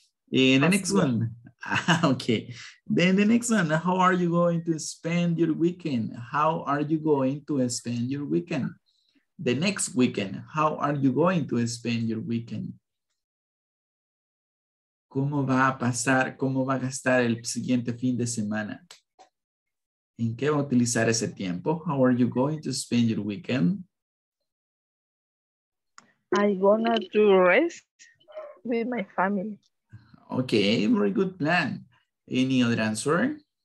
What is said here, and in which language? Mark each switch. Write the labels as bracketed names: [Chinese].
[English] And the next one. Okay. Then the next one, how are you going to spend your weekend? How are you going to spend your weekend? The next weekend, how are you going to spend your weekend? [Spanish] ¿Cómo va a pasar? ¿Cómo va a gastar el siguiente fin de semana? ¿En qué va a utilizar ese tiempo? [English] How are you going to spend your weekend? I'm gonna do rest with my family. Okay, very good plan. Any other answer?